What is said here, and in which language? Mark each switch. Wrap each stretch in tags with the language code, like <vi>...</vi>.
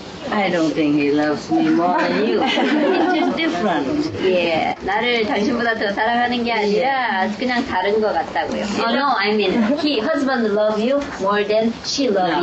<en>I don't think he loves me more than you. Different. Yeah.</en> <ko>나를 당신보다 더 사랑하는 게 아니라 그냥 다른 것 같다고요.</ko> <en>Oh, no, I mean, he, husband love you more than she love</en>